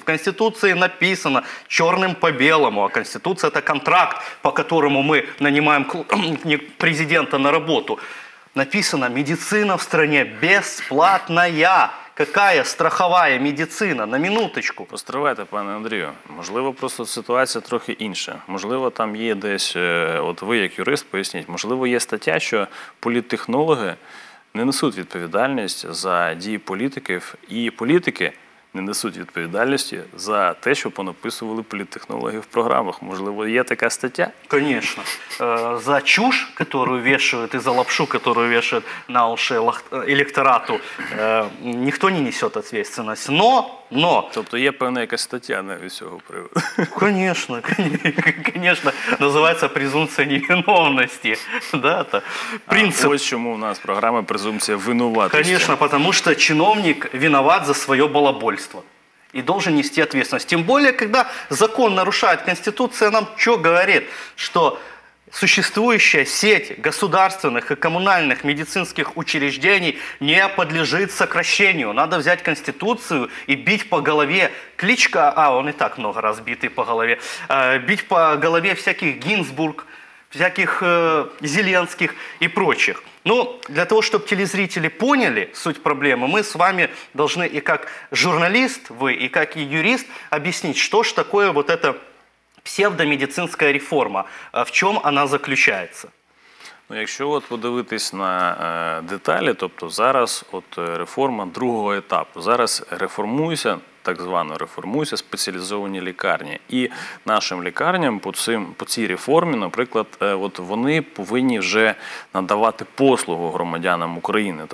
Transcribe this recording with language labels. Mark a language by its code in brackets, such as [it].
[uk] В Конституції написано чорним по білому, а Конституція – це контракт, по якому ми наймаємо президента на роботу. Написано [ru] «Медицина в стране бесплатная». Какая страховая медицина? На минуточку. [uk] Постривайте, пане Андрію. Можливо, просто ситуація трохи інша. Можливо, там є десь, от ви як юрист, поясніть, можливо, є стаття, що політтехнологи не несуть відповідальність за дії політиків, і політики не несуть відповідальності за те, що понаписували політтехнологи в програмах. Можливо, є така стаття? Звісно. За чуш, яку вішають, і за лапшу, яку вішають на уші електорату, ніхто не несе відповідальність. Но... Тобто є певна якась стаття навіть цього приводу? Звісно, звісно. Називається презумпція невиновності. Принцип. Ось чому у нас програма «Презумпція винуватості». Звісно, тому що чиновник винуват за своє балабольство. [ru] И должен нести ответственность. Тем более, когда закон нарушает Конституцию, нам что говорит? Что существующая сеть государственных и коммунальных медицинских учреждений не подлежит сокращению. Надо взять Конституцию и бить по голове кличка, а он и так много раз битый по голове, бить по голове всяких Гинзбург, всяких Зеленских и прочих. Ну, для того, чтобы телезрители поняли суть проблемы, мы с вами должны и как журналист, вы, и как и юрист объяснить, что же такое вот эта псевдомедицинская реформа, в чем она заключается. [uk] Ну, якщо от подивитись на деталі, тобто зараз от реформа другого етапу, зараз реформуються, так звано реформуються спеціалізовані лікарні. І нашим лікарням по цій реформі, наприклад, от вони повинні вже надавати послугу громадянам України.